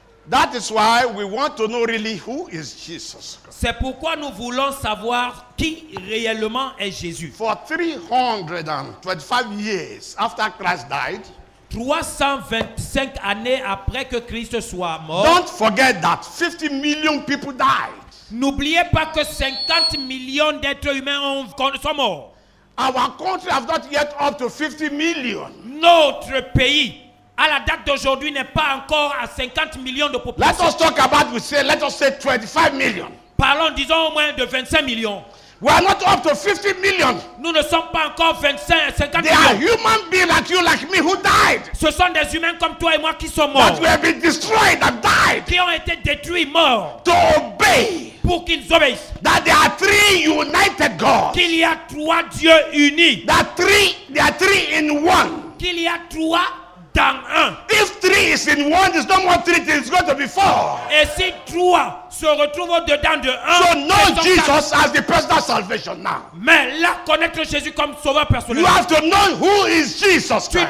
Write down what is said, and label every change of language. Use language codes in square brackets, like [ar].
[en] That is why we want to know really who is Jesus. [fr] C'est pourquoi nous voulons savoir qui réellement est Jésus. [en] For 325 years after Christ died, [fr] 325 années après que Christ soit mort, [en] don't forget that 50 million people died. [fr] N'oubliez pas que 50 millions d'êtres humains sont morts. [en] Our country has not yet up to 50 million. [fr] Notre pays, à la date d'aujourd'hui, n'est pas encore à 50 millions de population. [en] Let us talk about, let us say 25 million. [fr] Parlons, disons, au moins de 25 millions. [en] We are not up to 50 million. [fr] Nous ne sommes pas encore 50 millions. [en] There are human beings like you, like me, who died. [fr] Ce sont des humains comme toi et moi qui sont morts. [en] That we have been destroyed and died. [fr] Qui ont été détruits, morts. [en] To obey. [fr] Pour qu'ils obéissent. [en] That there are three united gods. [fr] Qu'il y a trois dieux unis. [en] That three, there are three in one. [fr] Qu'il y a trois dans un. [en] If three is in one, there's no more three. It's going to be four. [fr] Et si trois se retrouve au-dedans de un. [en] So know Jesus as the personal salvation now. [fr] Mais là, connaître Jésus comme sauveur personnel. [en] You have to know who is Jesus Christ.